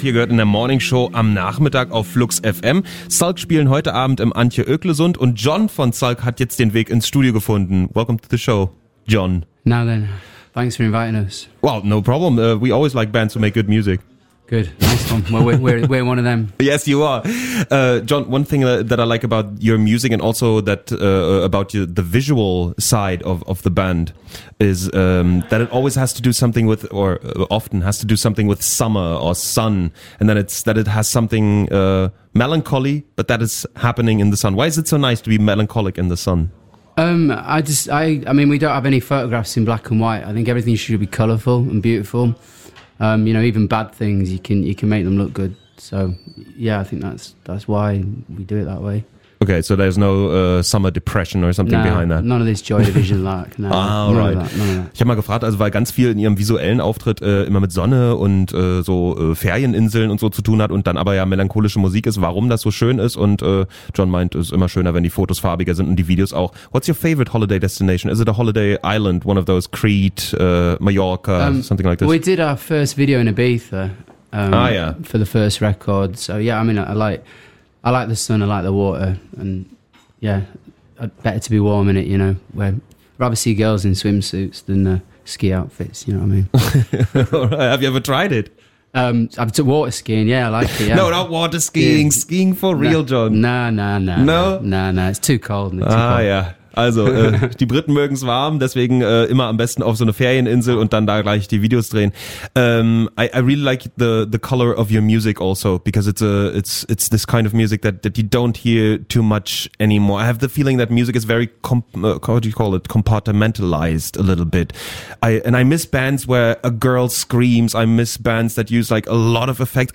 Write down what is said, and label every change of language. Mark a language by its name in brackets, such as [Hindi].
[German] Hier gehört in der Morning Show am Nachmittag auf Flux FM. Salk spielen heute Abend im Antje Öklesund und John von Salk hat jetzt den Weg ins Studio gefunden. [English] Welcome to the show, John. Now then, thanks for inviting us. Well, no problem. We always like bands who make good music. Good, nice one. Well, we're one of them. Yes, you are. John, one thing that I like about your music and also that about you, the visual side of the band is that it always has to do something with, or often has to do something with summer or sun, and that it's that it has something melancholy, but that is happening in the sun. Why is it so nice to be melancholic in the sun? I mean, we don't have any photographs in black and white. I think everything should be colourful and beautiful. You know, even bad things, you can make them look good. So, yeah, I think that's why we do it that way. Okay, so there's no summer depression or something behind that. None of this Joy Division like. No. Ah, all right. [German] Ich habe mal gefragt, also weil ganz viel in ihrem visuellen Auftritt immer mit Sonne und so Ferieninseln und so zu tun hat und dann aber ja melancholische Musik ist, warum das so schön ist. Und John meint, es ist immer schöner, wenn die Fotos farbiger sind und die Videos auch. [English] What's your favorite holiday destination? Is it a holiday island, one of those Crete, Mallorca, something like this? We did our first video in Ibiza for the first record. So yeah, I mean, I like the sun, I like the water, and yeah, better to be warm in it, you know. Where rather see girls in swimsuits than ski outfits, you know what I mean? Right. Have you ever tried it? I've took water skiing, yeah, I like it, yeah. No, not water skiing, yeah. Skiing for real, John. No, it's too cold. [German] Also, die Briten mögen es warm, deswegen immer am besten auf so eine Ferieninsel und dann da gleich die Videos drehen. [English] I really like the color of your music also, because it's this kind of music that you don't hear too much anymore. I have the feeling that music is very, compartmentalized a little bit. I miss bands where a girl screams. I miss bands that use like a lot of effects.